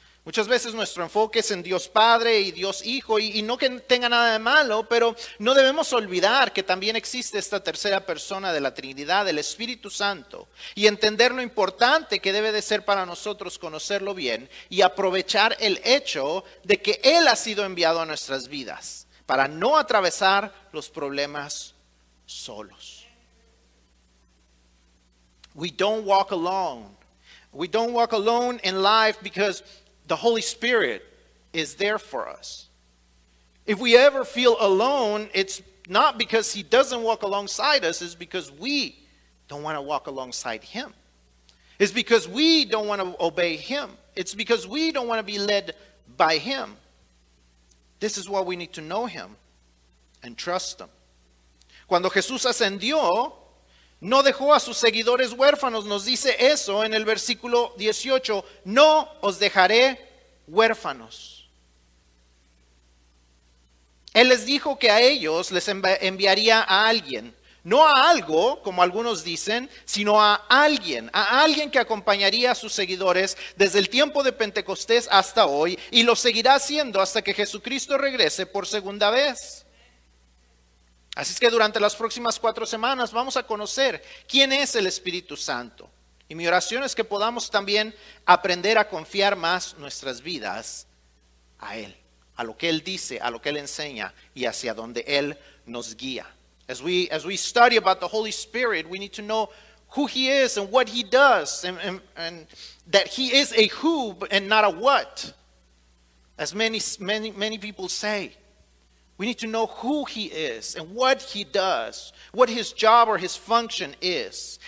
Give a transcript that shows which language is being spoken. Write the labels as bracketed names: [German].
[Spanish] Muchas veces nuestro enfoque es en Dios Padre y Dios Hijo, y no que tenga nada de malo, pero no debemos olvidar que también existe esta tercera persona de la Trinidad, el Espíritu Santo, y entender lo importante que debe de ser para nosotros conocerlo bien y aprovechar el hecho de que Él ha sido enviado a nuestras vidas para no atravesar los problemas solos. [English] We don't walk alone. We don't walk alone in life because the Holy Spirit is there for us. If we ever feel alone, it's not because He doesn't walk alongside us, it's because we don't want to walk alongside Him. It's because we don't want to obey Him. It's because we don't want to be led by Him. This is why we need to know Him and trust Him. [Spanish] Cuando Jesús ascendió, no dejó a sus seguidores huérfanos. Nos dice eso en el versículo 18. No os dejaré huérfanos. Él les dijo que a ellos les enviaría a alguien. No a algo, como algunos dicen, sino a alguien. A alguien que acompañaría a sus seguidores desde el tiempo de Pentecostés hasta hoy. Y lo seguirá haciendo hasta que Jesucristo regrese por segunda vez. Así es que durante las próximas 4 semanas vamos a conocer quién es el Espíritu Santo. Y mi oración es que podamos también aprender a confiar más nuestras vidas a Él, a lo que Él dice, a lo que Él enseña y hacia donde Él nos guía. [English] As we study about the Holy Spirit, we need to know who He is and what He does, and that He is a who and not a what. As many people say, we need to know who He is and what He does, what His job or His function is.